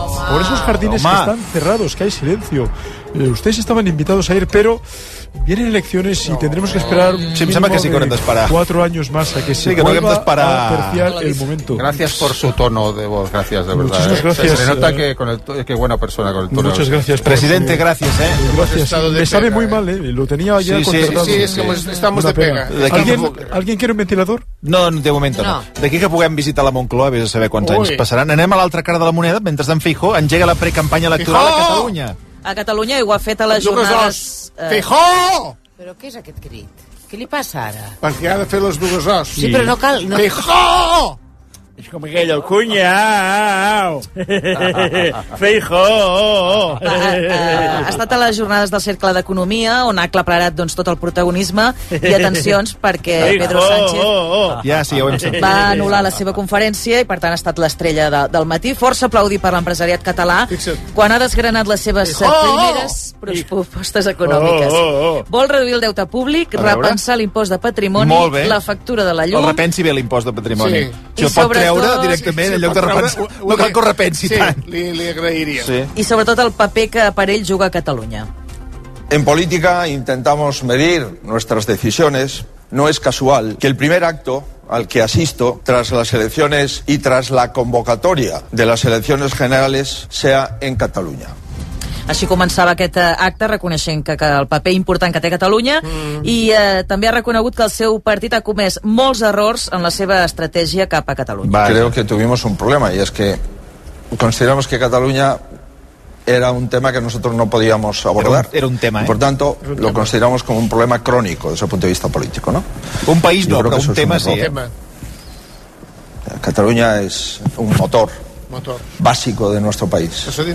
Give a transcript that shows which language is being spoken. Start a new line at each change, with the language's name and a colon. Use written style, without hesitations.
Spanish: Por esos jardines que están cerrados, que hay silencio. Ustedes estaban invitados a ir, pero vienen elecciones y tendremos que esperar cuatro años más a que se vuelva a apreciar el momento. Gracias por su tono de voz, gracias, de verdad. Muchísimas gracias. Se nota que con el que buena persona con el tono. Muchas gracias. Presidente, gracias, Gracias. Me sabe muy mal, lo tenía ya contratado. Sí, estamos de pega. ¿Alguien quiere un ventilador? No, de momento no.
Catalan: D'aquí que puguem visitar la Moncloa, vés a saber quants anys passaran. Anem a l'altra cara de la moneda, mentre en Feijó engega la precampanya electoral a Catalunya. A Catalunya ho ha fet a les jornades... Feijó! Però què és aquest crit? Què li passa ara? Perquè ha de fer les dues os. Sí, però no cal... No. Feijó! És com aquell, el cunyau. Feijó. Ha estat a les jornades del Cercle d'Economia, on ha aclaparat doncs, tot el protagonisme. I atencions, perquè Pedro Sánchez va anul·lar la seva conferència i, per tant, ha estat l'estrella del matí. Força aplaudir per l'empresariat català quan ha desgranat les seves primeres propostes econòmiques. Vol reduir el deute públic, repensar l'impost de patrimoni, la factura de la llum... El repensi bé, l'impost de patrimoni. Sí. Això pot creure directament, en lloc de repensar. No cal que ho repensi tant. Li agrairia. Sí. I sobretot el paper que per ell juga a Catalunya.
Spanish: En política intentamos medir nuestras decisiones. No es casual que el primer acto al que asisto tras las elecciones y tras la convocatoria de las elecciones generales sea en Cataluña.
Catalan: Així començava aquest acte, reconeixent que el paper important que té Catalunya i també ha reconegut que el seu partit ha comès molts errors en la seva estratègia cap a Catalunya. Vaja.
Spanish: Creo que tuvimos un problema y es que consideramos que Catalunya era un tema que nosotros no podíamos abordar. Era un tema, Por tanto, lo consideramos como un problema crónico desde el punto de vista político, ¿no? Un país no, pero un tema sí. Catalunya es un motor básico de nuestro país.